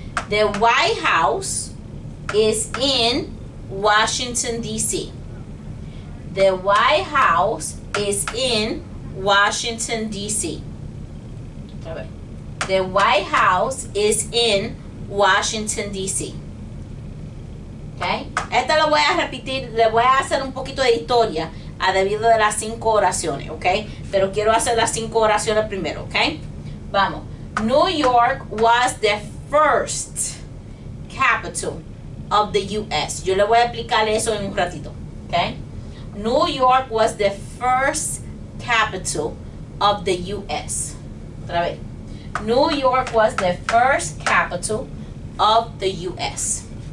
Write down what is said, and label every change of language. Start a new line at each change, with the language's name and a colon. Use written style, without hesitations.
English: The White House is in Washington, D.C. The White House is in Washington, D.C. The White House is in Washington, D.C. Okay.
Spanish: Esta la voy a repetir, le voy a hacer un poquito de historia a debido de las cinco oraciones, ¿ok? Pero quiero hacer las cinco oraciones primero, ¿ok? Vamos.
English: New York was the first capital of the U.S.
Spanish: Yo le voy a explicar eso en un ratito, ¿ok?
English: New York was the first capital of the U.S.
Spanish: Otra vez.
English: New York was the first capital of the U.S.